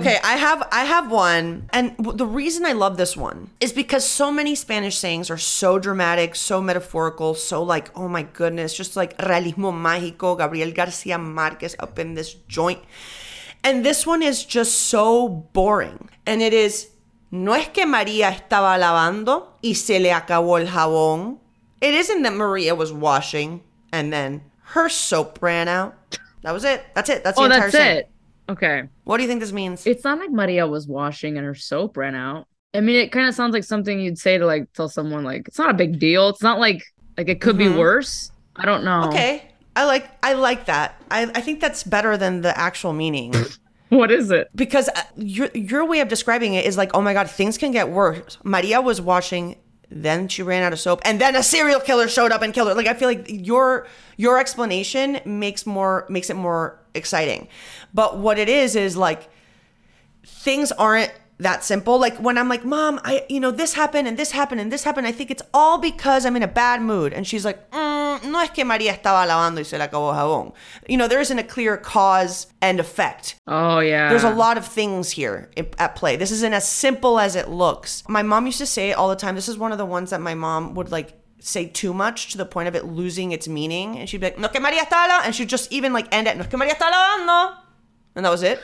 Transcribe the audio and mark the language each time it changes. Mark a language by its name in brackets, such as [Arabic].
[English] Okay, I have one. And the reason I love this one is because so many Spanish sayings are so dramatic, so metaphorical, so like, oh my goodness, just like Realismo Mágico, Gabriel García Márquez up in this joint. And this one is just so boring. And it is, [Spanish] no es que María estaba lavando y se le acabó el jabón. [English] It isn't that Maria was washing and then her soap ran out. That was it. That's it. That's the entire saying. Oh, that's it. Okay. What do you think this means? It's not like Maria was washing and her soap ran out. I mean, it kind of sounds like something you'd say to like tell someone, like, it's not a big deal. It's not like it could mm-hmm. be worse. I don't know. Okay. I like that. I think that's better than the actual meaning. What is it? Because your way of describing it is like, oh my God, things can get worse. Maria was washing, then she ran out of soap, and then a serial killer showed up and killed her. Like, I feel like your explanation makes it more exciting. But what it is like, things aren't that simple. Like when I'm like, mom, I, you know, this happened and this happened and this happened, I think it's all because I'm in a bad mood. And she's like, [Spanish] no es que María estaba lavando y se le acabó el jabón. [English] You know, there isn't a clear cause and effect. Oh yeah. There's a lot of things here at play. This isn't as simple as it looks. My mom used to say it all the time. This is one of the ones that my mom would like say too much to the point of it losing its meaning. And she'd be like, [Spanish] no que María está lavando. [English] And she'd just even like end at, [Spanish] no que María está lavando. [English] And that was it.